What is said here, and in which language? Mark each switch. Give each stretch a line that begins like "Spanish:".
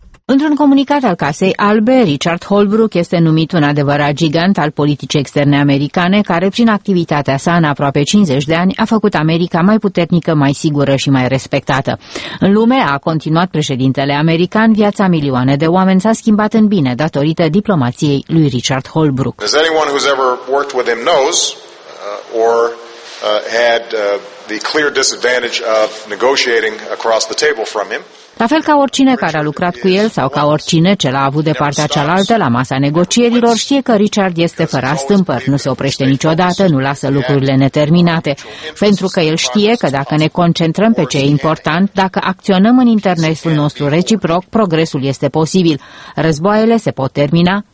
Romanian: Într-un comunicat al Casei Albe, Richard Holbrook este numit un adevărat gigant al politicii externe americane, care prin activitatea sa în aproape 50 de ani a făcut America mai puternică, mai sigură și mai respectată. În lume, a continuat președintele american, viața milioane de oameni s-a schimbat în bine datorită diplomației lui Richard Holbrook.
English: As anyone who's ever worked with him knows, or had the clear disadvantage of negotiating across the table from him.
Romanian: La fel ca oricine care a lucrat cu el sau ca oricine ce l-a avut de partea cealaltă la masa negocierilor, știe că Richard este fără astâmpăr, nu se oprește niciodată, nu lasă lucrurile neterminate. Pentru că el știe că dacă ne concentrăm pe ce e important, dacă acționăm în interesul nostru reciproc, progresul este posibil. Războaiele se pot termina,